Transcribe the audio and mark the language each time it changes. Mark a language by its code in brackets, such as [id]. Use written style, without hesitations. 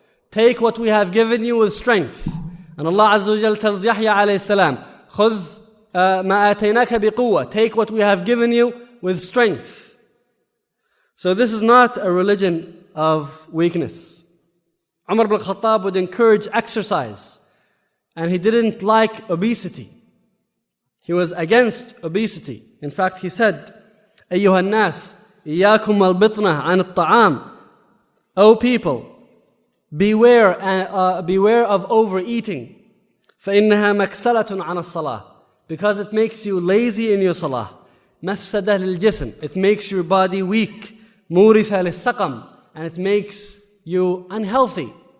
[en] Take what we have given you with strength. And Allah Azza wa Jal tells Yahya alayhi salam, [ar] "Khudh ma ataynaka biquwa." [en] Take what we have given you with strength. So this is not a religion of weakness. Umar ibn Khattab would encourage exercise, and he didn't like obesity. He was against obesity. In fact, he said, [ar] "أيها الناس إياكم والبطنة عن الطعام." [en] O people, beware of overeating. [ar] فإنها مكسلة عن الصلاة, [en] because it makes you lazy in your salah. [ar] مفسدة للجسم, [en] it makes your body weak. [ar] مورثة للسقم, [en] and it makes you unhealthy.